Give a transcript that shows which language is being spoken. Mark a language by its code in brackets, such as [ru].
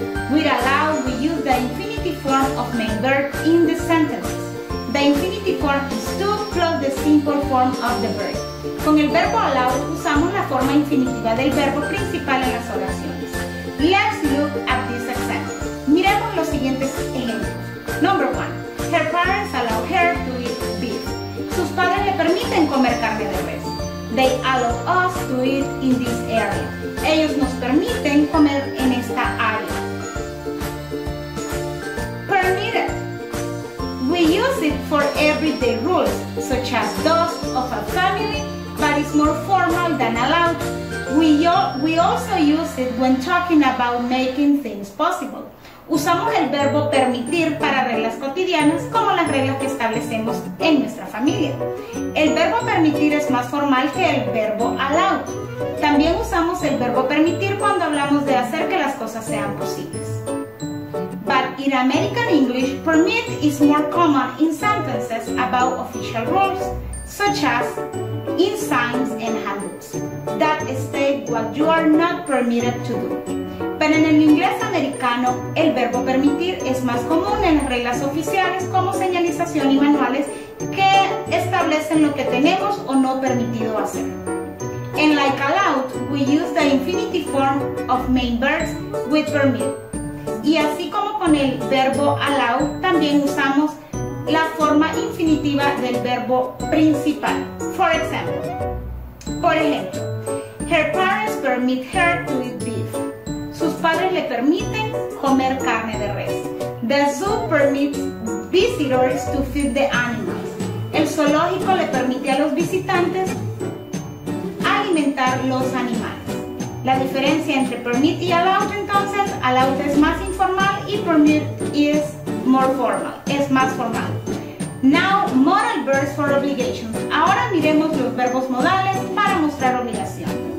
[en] With allow, we use the infinitive form of main verb in the sentences. The infinitive form is to plus the simple form of the verb. [es] Con el verbo allow usamos la forma infinitiva del verbo principal en las oraciones. [en] Let's look at this example. [es] Miremos los siguientes ejemplos. [en] Number 1. Her parents allow her to eat beef. [es] Sus padres le permiten comer carne de res. [en] They allow us to eat in this area. [es] ellos nos permiten comer en esta área. [en] Permit it. We use it for everyday rules, such as those of a family, but it's more formal than allowed. We also use it when talking about making things possible. [es] Usamos el verbo permitir para reglas cotidianas como las reglas que establecemos en nuestra familia. El verbo permitir es más formal que el verbo allow. También usamos el verbo permitir cuando hablamos de hacer que las cosas sean posibles. [en] But in American English, permit is more common in sentences about official rules, such as in signs and handbooks, that state what you are not permitted to do. [es] Pero en el inglés americano, el verbo permitir es más común en las reglas oficiales como señalización y manuales que establecen lo que tenemos o no permitido hacer. [en] En like allowed, we use the infinitive form of main verbs with permit. [es] Y así como con el verbo allow, también usamos la forma infinitiva del verbo principal. [en] For example, [es] por ejemplo, [en] her parents permit her to eat beef. [es] Sus padres le permiten comer carne de res. [en] The zoo permits visitors to feed the animals. [es] El zoológico le permite a los visitantes alimentar los animales. La diferencia entre permit y allowed, entonces, allowed es más informal y [en] permit is more formal, [es] es más formal. [en] Now, modal verbs for obligations. [es] Ahora miremos los verbos modales para mostrar obligación.